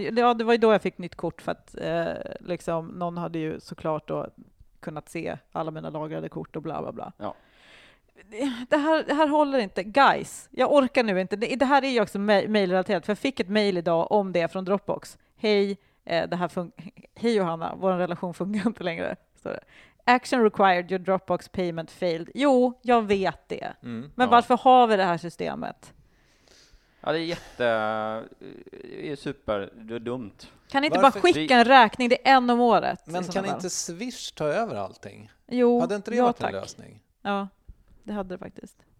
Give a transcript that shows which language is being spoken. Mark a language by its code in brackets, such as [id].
[sv] Ja, det var ju då jag fick nytt kort för att liksom, någon hade ju såklart då kunnat se alla mina lagrade kort och bla bla bla. Ja. Det här håller inte. Guys, jag orkar nu inte. Det här är ju också mejlrelaterat. För jag fick ett mejl idag om det från Dropbox. Hej, det här hej Johanna, vår relation fungerar inte längre. [en] Sorry. Action required, your Dropbox payment failed. [sv] Jo, jag vet det. Mm, men varför har vi det här systemet? Ja, det är jätte... Det är super dumt. Kan inte varför? Bara skicka en räkning? Det är en om året. Men kan inte Swish ta över allting? Jo, hade inte det varit en lösning? Ja. Det hade det faktiskt.